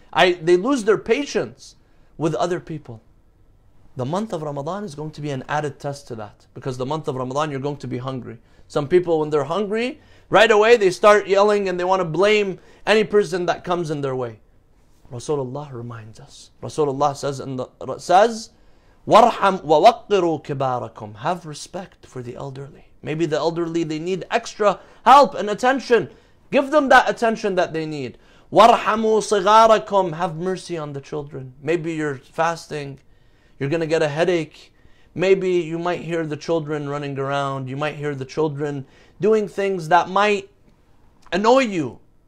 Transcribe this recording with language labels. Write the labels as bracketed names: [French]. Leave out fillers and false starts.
[English] They lose their patience with other people. The month of Ramadan is going to be an added test to that. Because the month of Ramadan, you're going to be hungry. Some people, when they're hungry, right away they start yelling and they want to blame any person that comes in their way. Rasulullah reminds us. Rasulullah says, [Arabic] وَرْحَمْ وَوَقِّرُوا كِبَارَكُمْ. [English] Have respect for the elderly. Maybe the elderly, they need extra help and attention. Give them that attention that they need. [Arabic] وَرْحَمُوا صِغَارَكُمْ. [English] Have mercy on the children. Maybe you're fasting. You're going to get a headache. Maybe you might hear the children running around. You might hear the children doing things that might annoy you.